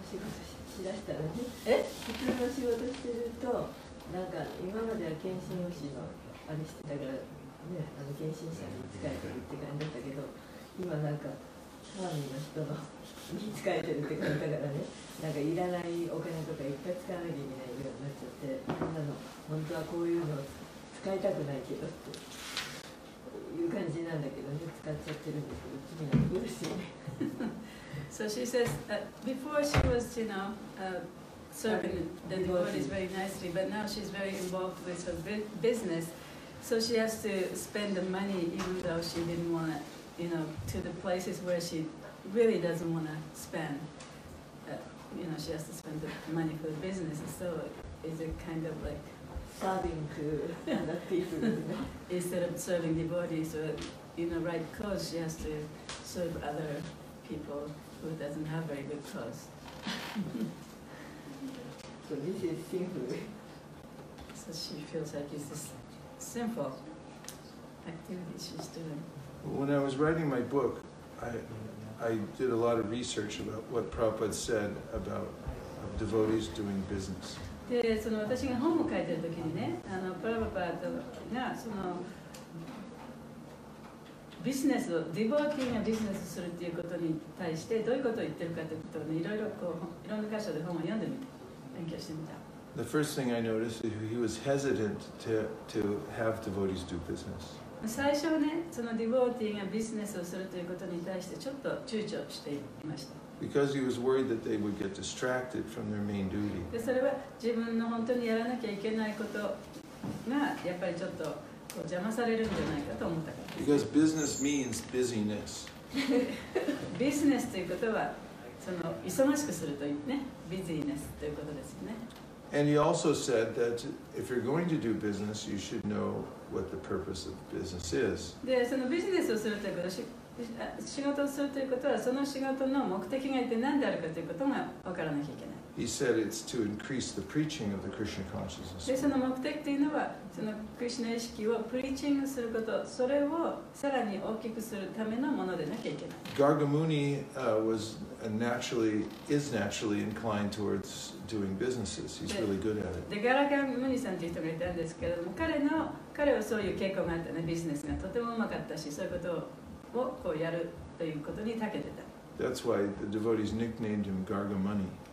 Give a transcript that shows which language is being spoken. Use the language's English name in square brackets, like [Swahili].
[Japanese] 私、普通の仕事しだしたらね、普通の仕事してると、なんか今までは献身してたから、ね、あの献身者に使えてるって感じだったけど、今なんか、ファミの人の。に使えてるって感じだからね、なんかいらないお金とかいっぱい使わなきゃいけないようになっちゃって、こんなの本当はこういうの使いたくないけどっていう感じなんだけどね、使っちゃってるんですけど、気になるらしいね。 [English] So she says, before she was, you know, serving the devotees very nicely, but now she's very involved with her business, so she has to spend the money even though she didn't want it, you know, to the places where sheReally doesn't want to spend. You know, she has to spend the money for the business. So, is it kind of like serving to other people instead of serving devotees? Or, you know, right cause, she has to serve other people who doesn't have very good cause. So this is sinful. So she feels like it's a sinful activity she's doing. When I was writing my book, I did a lot of research about what Prabhupada said about devotees doing business. [Japanese] で、その私が本を書いてる時にね、あのプラヴァパートがそのビジネスを、ディボーティーがビジネスするっていうことに対してどういうことを言ってるかということをね、いろいろこういろんな箇所で本を読んでみて勉強してみた。 [English] The first thing I noticed is he was hesitant to have devotees do business. [Japanese] 最初ね、そのディボーティーがビジネスをするということに対してちょっと躊躇していました。 [English] Because he was worried that they would get distracted from their main duty. [Japanese] で、それは自分の本当にやらなきゃいけないことがやっぱりちょっとこう邪魔されるんじゃないかと思ったから。 [English] Because business means busyness. [Japanese] ビジネスということはその忙しくするというね、ビジネスということですよね。 [English] And he also said that if you're going to do business, you should know what the purpose of business is. [Japanese] で、そのビジネスをするということ、仕事をするということは、その仕事の目的が一体何であるかということが分からなきゃいけない。 [English] He said it's to increase the preaching of the Krishna consciousness. [Japanese] で、その目的というのは、そのクリシナ意識をプリーチングすること、それをさらに大きくするためのものでなきゃいけない。 [English] Garga Muni was naturally, is naturally inclined towards doing businesses. He's really good at it. [Japanese] で、ガラガムニさんという人がいたんですけれども、彼はそういう傾向があったね、ビジネスがとてもうまかったし、そういうことをこうやるということに長けてた。 [English] That's why the devotees nicknamed him Garga Muni.